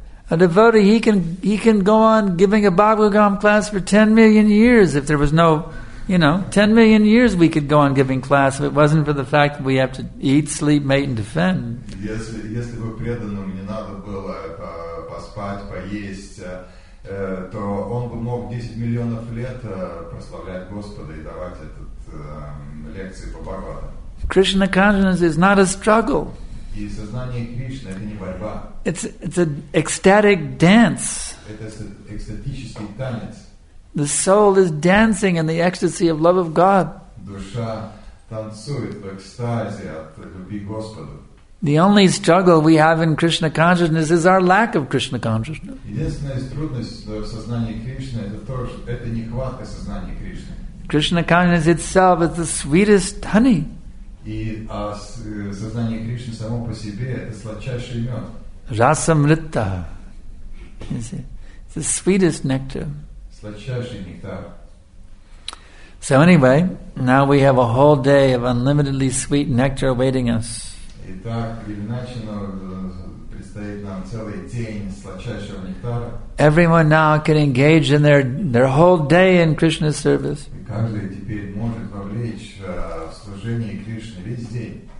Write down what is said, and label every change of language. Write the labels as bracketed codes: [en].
[en] A devotee, he can go on giving a Bhagavatam class for 10 million years if there was no, you know, 10 million years we could go on giving class if it wasn't for the fact that we have to eat, sleep, mate, and defend. [ru] Если бы преданному не надо было поспать, поесть, то он бы мог 10 миллионов лет прославлять Господа и давать этот лекции по Бхагавадам. [en] Krishna consciousness is not a struggle. [ru] И сознание Кришны это не борьба. [en] It's an ecstatic dance. [ru] Это экстатический танец. [en] The soul is dancing in the ecstasy of love of God. [ru] Душа танцует в экстазе от любви Господу. [en] The only struggle we have in Krishna consciousness is our lack of Krishna consciousness. [ru] Единственная трудность в сознании Кришны это нехватка сознания Кришны. [en] Krishna consciousness itself is the sweetest honey. [ru] И сознание Кришны само по себе это сладчайший мед. [sa] Rasamrita. [en] It's the sweetest nectar. [ru] Сладчайший нектар. [en] So anyway, now we have a whole day of unlimitedly sweet nectar awaiting us. [ru] Итак, иначе предстоит нам целый день сладчайшего нектара. [en] Everyone now can engage in their whole day in Krishna's service. [ru] Каждый теперь может вовлечь в служение Кришны весь день.